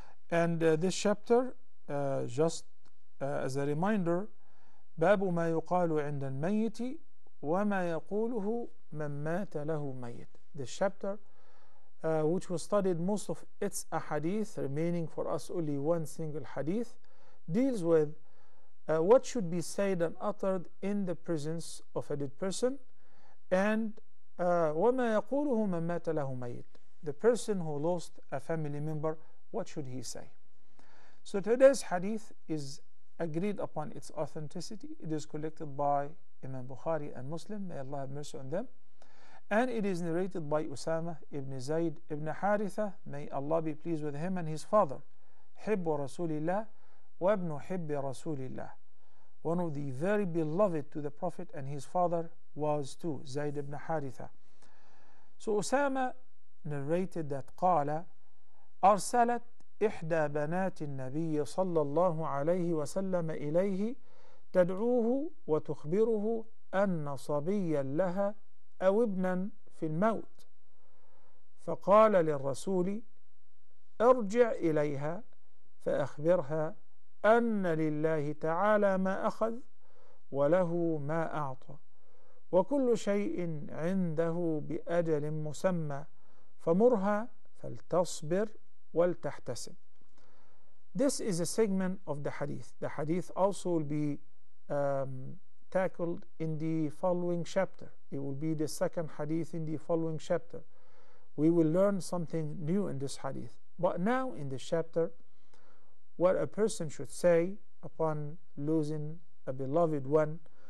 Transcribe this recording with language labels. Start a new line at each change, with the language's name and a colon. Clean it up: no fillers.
English: And this chapter, as a reminder,
Arabic: بَابُ مَا يُقَالُ عِنْدَ الْمَيِّتِ وَمَا يَقُولُهُ مَنْ مَاتَ لَهُ مَيِّتٌ.
English: This chapter, which we studied most of its ahadith, remaining for us only one single hadith, deals with what should be said and uttered in the presence of a dead person, and
Arabic: وَمَا يَقُولُهُ مَنْ مَاتَ لَهُ مَيِّتٌ.
English: The person who lost a family member, what should he say? So today's hadith is agreed upon its authenticity. It is collected by Imam Bukhari and Muslim, may Allah have mercy on them. And it is narrated by Usama ibn Zayd ibn Haritha, may Allah be pleased with him and his father.
Arabic: Hibbu Rasulillah wa ibn Hibbi Rasulillah.
English: One of the very beloved to the Prophet and his father was too, Zayd ibn Haritha.
Arabic: So Usama narrated that qala arsalat ihda banatin nabiyy sallallahu alayhi wa sallam ilayhi تدعوه وتخبره أن صبيا لها أو ابنا في الموت فقال للرسول ارجع إليها فأخبرها أن لله تعالى ما أخذ وله ما أعطى وكل شيء عنده بأجل مسمى فمرها فلتصبر ولتحتسب.
English: This is a segment of the hadith. The hadith also will be tackled in the following chapter. It will be the second hadith in the following chapter. We will learn something new in this hadith. But now in this chapter, what a person should say upon losing a beloved one.